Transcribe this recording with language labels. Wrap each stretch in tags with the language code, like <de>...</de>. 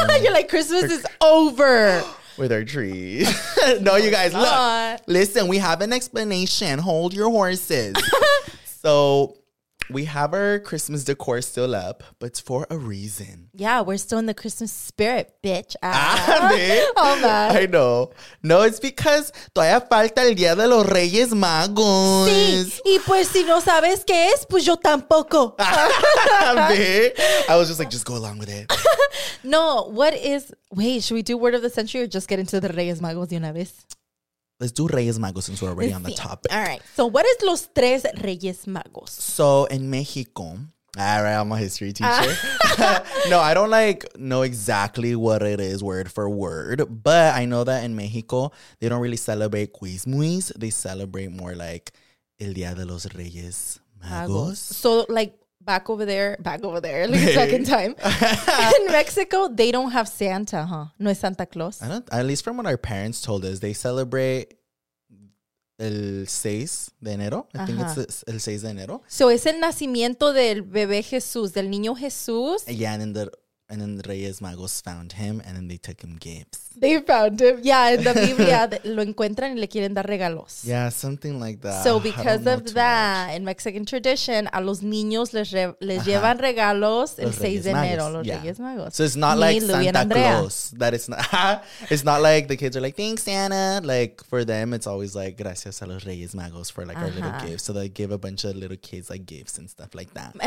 <en>You're like, Christmas is over with our tree. No, you guys, look, listen, we have an explanation. Hold your horses. So we have our Christmas decor still up, but it's for a reason. Yeah, we're still in the Christmas spirit, bitch. I know. No, it's because</en> <es>todavía falta el Día de los Reyes Magos. Sí, y pues si no sabes qué es, pues yo tampoco.</es> <en>I was just like, just go along with it. No, what is, wait, should we do Word of the Century or just get into the Reyes Magos</en> <es>de una vez?</es> <en>Let's do Reyes Magos since we're already on the topic. All right. So what is Los Tres Reyes Magos? So in Mexico, all right, I'm a history teacher. No, I don't like know exactly what it is word for word, but I know that in Mexico, they don't really celebrate Christmas. They celebrate more like El Día de los Reyes Magos. So like back over there, like second time. In Mexico, they don't have Santa, huh?</en> <es>No es Santa Claus.</es> <en>I don't, at least from what our parents told us, they celebrate</en> <es>el 6 de enero.</es> <en>I think it's</en> <es>el 6 de enero. So es el nacimiento del bebé Jesús, del niño Jesús.</es> <en>Yeah, and then Reyes Magos found him, and then they took him gifts. They found him. Yeah, in the</en> <es>Biblia, lo encuentran y le quieren dar regalos.</es> <en>Yeah, something like that. So because of that, in Mexican tradition,</en> <es>a los niños les llevan regalos el 6 de enero, los Reyes Magos.</es> <en>So it's not like Santa Claus. That is not, it's not like the kids are like, thanks, Santa. Like, for them, it's always like,</en> <es>gracias a los Reyes Magos</es> <en>for like our little gifts. So they give a bunch of little kids like gifts and stuff like that.</en>